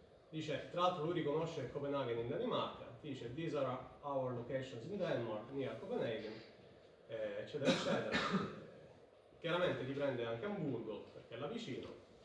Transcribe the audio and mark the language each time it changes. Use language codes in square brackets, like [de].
[it] Dice, tra l'altro lui riconosce Copenaghen in Danimarca. Dice, [en] these are our locations in Denmark, near Copenhagen, [it] eccetera, eccetera. Chiaramente riprende anche Hamburgo, perché è là vicino.